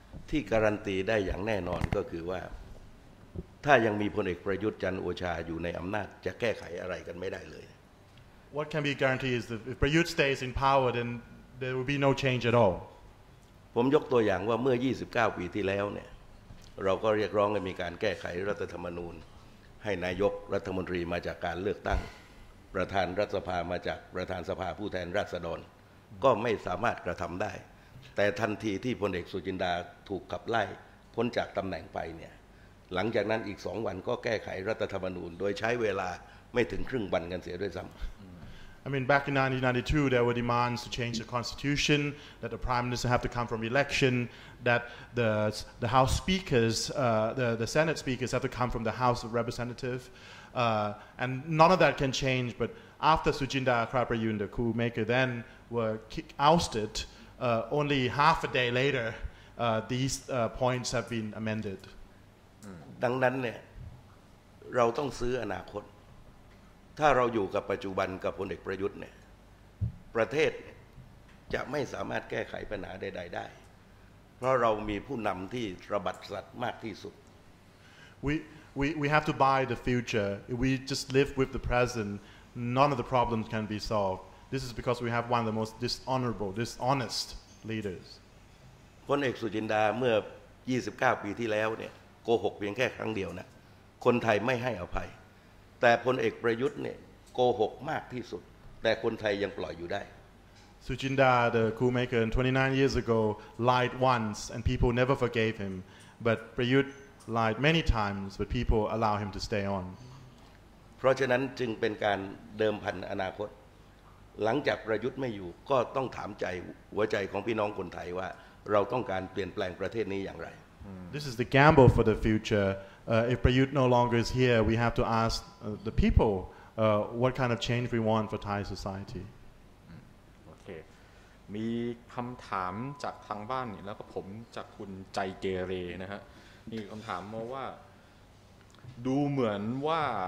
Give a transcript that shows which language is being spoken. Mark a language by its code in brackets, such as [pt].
[th] ที่การันตีได้อย่างแน่นอนก็คือว่าถ้ายังมีพลเอกประยุทธ์จันทร์โอชาอยู่ในอำนาจจะแก้ไขอะไรกันไม่ได้เลย [en] What can be guaranteed is that if Prayut stays in power then there will be no change at all [th] ผมยกตัวอย่างว่าเมื่อ29ปีที่แล้วเนี่ยเราก็เรียกร้องให้มีการแก้ไขรัฐธรรมนูญให้นายกรัฐมนตรีมาจากการเลือกตั้งประธานรัฐสภามาจากประธานสภาผู้แทนราษฎรก็ไม่สามารถกระทำได้แต่ทันทีที่พลเอกสุจินดาถูกขับไล่พ้นจากตำแหน่งไปเนี่ยหลังจากนั้นอีก2วันก็แก้ไขรัฐธรรมนูญโดยใช้เวลาไม่ถึงครึ่งวันกันเสียด้วยซ้ำ [en] I mean, back in 1992, there were demands to change the constitution, that the prime minister have to come from election, that the house speakers, the senate speakers have to come from the house of representative, and none of that can change. But after Sujinda Kraprayun, the coup maker, then were ousted, only half a day later, these points have been amended. [th] ดังนั้นเนี่ยเราต้องซื้ออนาคตถ้าเราอยู่กับปัจจุบันกับพลเอกประยุทธ์เนี่ยประเทศจะไม่สามารถแก้ไขปัญหาใดๆได้เพราะเรามีผู้นำที่ระบัดสัตว์มากที่สุด [en] We have to buy the future if we just live with the present none of the problems can be solved this is because we have one of the most dishonest leaders [th] พลเอกสุจินดาเมื่อ29ปีที่แล้วเนี่ยโกหกเพียงแค่ครั้งเดียวนะคนไทยไม่ให้อภัยแต่พลเอกประยุทธ์เนี่ยโกหกมากที่สุดแต่คนไทยยังปล่อยอยู่ได้ [en] สุจินดา the coup maker 29 years ago lied once and people never forgave him but Prayut lied many times but people allow him to stay on [th] เพราะฉะนั้นจึงเป็นการเดิมพันอนาคตหลังจากประยุทธ์ไม่อยู่ก็ต้องถามใจหัวใจของพี่น้องคนไทยว่าเราต้องการเปลี่ยนแปลงประเทศนี้อย่างไร [en] This is the gamble for the futureIf Prayut no longer is here, we have to ask the people what kind of change we want for Thai society. Okay. [th] มีคำถามจากทางบ้านนี่แล้วก็ผมจากคุณใจเกเรนะฮะมีคำถามมาว่าดูเหมือนว่า